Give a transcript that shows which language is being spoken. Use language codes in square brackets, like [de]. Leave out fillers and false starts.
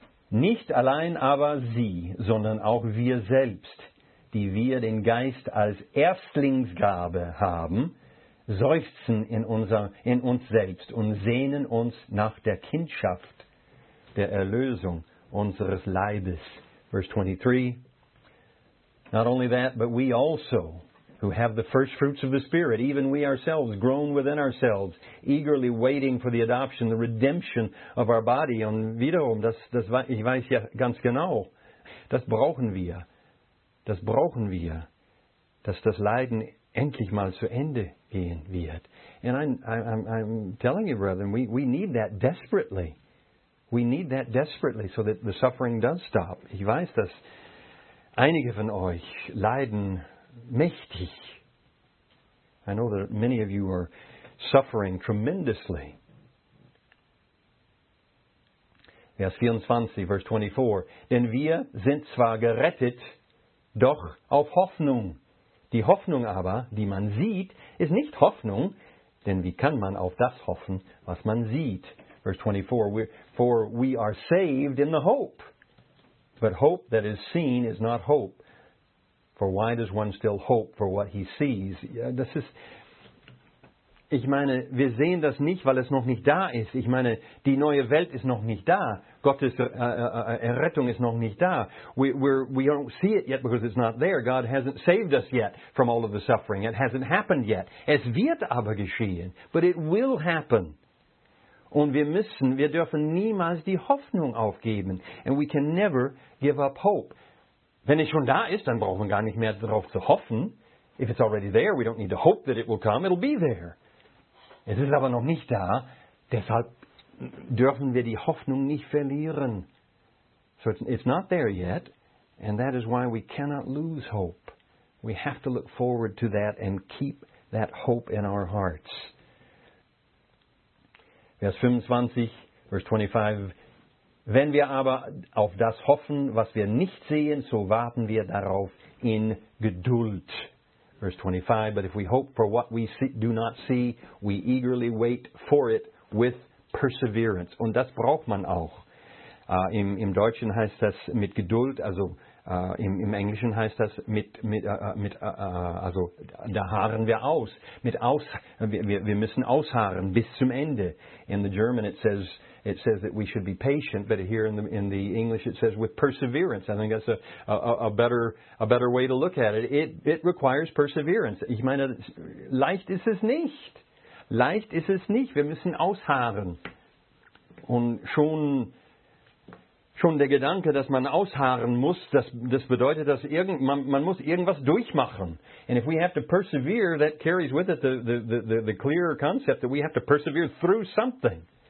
[de] Nicht allein aber sie, sondern auch wir selbst, die wir den Geist als Erstlingsgabe haben, seufzen in uns selbst und sehnen uns nach der Kindschaft, der Erlösung unseres Leibes. [en] Verse 23. Not only that, but we also, who have the first fruits of the Spirit, even we ourselves, groan within ourselves, eagerly waiting for the adoption, the redemption of our body. [de] Und wiederum, das ich weiß ja ganz genau, das brauchen wir. Das brauchen wir, dass das Leiden endlich mal zu Ende gehen wird. [en] And I'm telling you, brethren, we need that desperately. We need that desperately so that the suffering does stop. [de] Ich weiß, dass einige von euch leiden mächtig. [en] I know that many of you are suffering tremendously. [de] Vers 24, verse 24. Denn wir sind zwar gerettet, doch auf Hoffnung. Die Hoffnung aber, die man sieht, ist nicht Hoffnung, denn wie kann man auf das hoffen, was man sieht? [en] Verse 24. For we are saved in the hope. But hope that is seen is not hope. For why does one still hope for what he sees? [de] Ja, das ist, ich meine, wir sehen das nicht, weil es noch nicht da ist. Ich meine, die neue Welt ist noch nicht da. Gottes Errettung ist noch nicht da. [en] We don't see it yet because it's not there. God hasn't saved us yet from all of the suffering. It hasn't happened yet. [de] Es wird aber geschehen. [en] But it will happen. [de] Und wir dürfen niemals die Hoffnung aufgeben. [en] And we can never give up hope. [de] Wenn es schon da ist, dann brauchen wir gar nicht mehr darauf zu hoffen. [en] If it's already there, we don't need to hope that it will come. It'll be there. [de] Es ist aber noch nicht da. Deshalb dürfen wir die Hoffnung nicht verlieren. [en] So it's not there yet. And that is why we cannot lose hope. We have to look forward to that and keep that hope in our hearts. [de] Vers 25, Vers 25. Wenn wir aber auf das hoffen, was wir nicht sehen, so warten wir darauf in Geduld. Verse 25. [en] But if we hope for what we see, do not see, we eagerly wait for it with perseverance. [de] Und das braucht man auch. Im Deutschen heißt das mit Geduld, also im Englischen heißt das also da harren wir aus, wir müssen ausharren bis zum Ende. [en] In the German it says that we should be patient, but here in the English it says with perseverance. I think that's a better way to look at it. It requires perseverance. [de] Ich meine, leicht ist es nicht. Leicht ist es nicht. Wir müssen ausharren. Und schon der Gedanke, dass man ausharren muss, das bedeutet, dass man muss irgendwas durchmachen. [en] And if we have to persevere, that carries with it the clear concept that we have to persevere through something.